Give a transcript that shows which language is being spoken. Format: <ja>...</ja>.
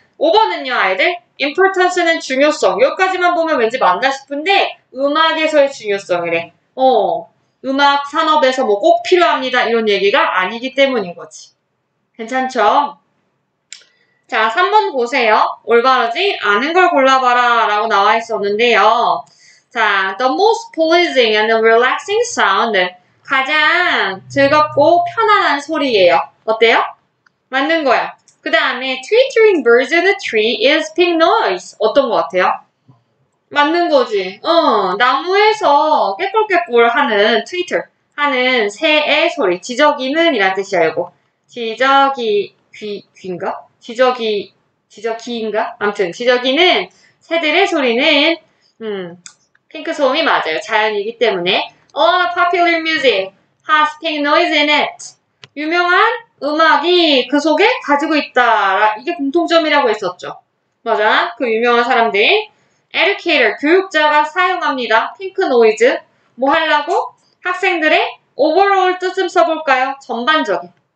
<ko>5번은요 아이들 importance는 중요성 여기까지만 보면 왠지 맞나 싶은데 음악에서의 중요성이래. 음악 산업에서 뭐 꼭 필요합니다. 이런 얘기가 아니기 때문인 거지. 괜찮죠? 자, 3번 보세요. 올바르지 않은 걸 골라봐라 라고 나와 있었는데요. 자, the most pleasing and relaxing sound. 가장 즐겁고 편안한 소리예요. 어때요? 맞는 거야.</ko> <en>그 다음에 twittering birds in a tree is pink noise.</en> <ko>어떤 것 같아요? 맞는 거지. 나무에서 깨꿀깨꿀 하는 트위터 하는 새의 소리. 지저귀는 이란 뜻이야, 이거. 지저귀 귀인가? 지저귀인가? 아무튼 지저귀는 새들의 소리는 핑크 소음이 맞아요. 자연이기 때문에.</ko> <en>All popular music has pink noise in it.</en> <ko>유명한 음악이 그 속에 가지고 있다. 이게 공통점이라고 했었죠. 맞아. 그 유명한 사람들. Educator, 교육자가 사용합니다. 핑크 노이즈. 뭐 하려고? 학생들의 overall 뜻을 써볼까요? 전반적인.</ko>